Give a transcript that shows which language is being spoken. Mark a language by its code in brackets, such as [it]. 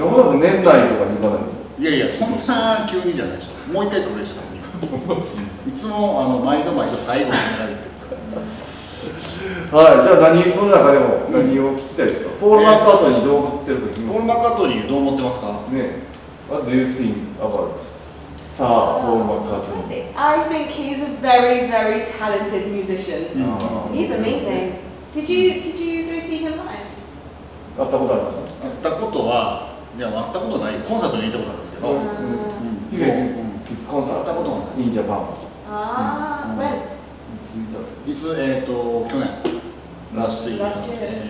[ja] いや、もう年代とかに行かないと。いやいや、そんな急にじゃないでしょ。もう一回来るでしょ。いつも、あの、毎度毎度最後に見られてる。はい、じゃあ何、その中でも何を聞きたいですか。ポール・マッカートニーどう思ってるか聞きます。ポール・マッカートニーどう思ってますか。ねえ、 [en] What do you think about? [ja] さあ、ポール・マッカートニー。 [en] I think he's a very, very talented musician. He's amazing. Did you go see him live? [ja] 会ったことある。会ったことは、いや、会ったことない。コンサートに行ったことあるんですけど。うん。 [en] He's a concert. [ja] 会ったことない。 [en] In Japan. Ah, when? [ja] いつ行ったんですか？いつ、去年。 [en] Last year. Last year.